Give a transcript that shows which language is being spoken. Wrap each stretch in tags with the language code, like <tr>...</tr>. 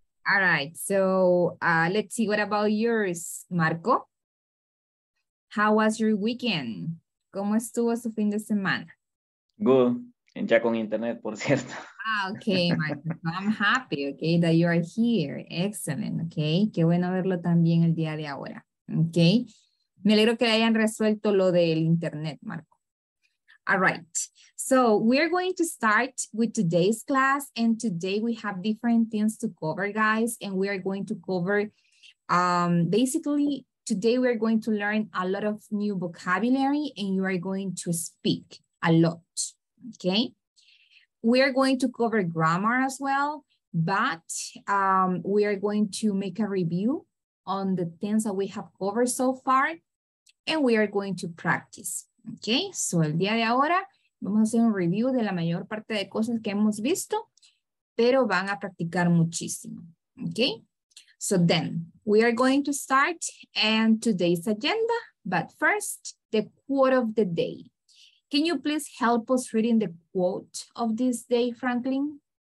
<en>All right, so let's see, what about yours, Marco? How was your weekend?</en> <es>¿Cómo estuvo su fin de semana?</es> <en>Good, and</en> <es>ya con internet, por cierto.</es> <en>Ah, okay, Marco, I'm happy, okay, that you are here. Excellent, okay.</en> <es>Qué bueno verlo también el día de ahora, okay. Me alegro que hayan resuelto lo del internet, Marco.</es> <en>All right. So we're going to start with today's class. And today we have different things to cover, guys. And we are going to cover, basically, today we're going to learn a lot of new vocabulary and you are going to speak a lot, okay? We are going to cover grammar as well, but we are going to make a review on the things that we have covered so far. And we are going to practice, okay?</en> <es>So el día de ahora, vamos a hacer un review de la mayor parte de cosas que hemos visto, pero van a practicar muchísimo, okay?</es> <en>So then, we are going to start and today's agenda, but first, the quote of the day. Can you please help us reading the quote of this day, Franklin?</en>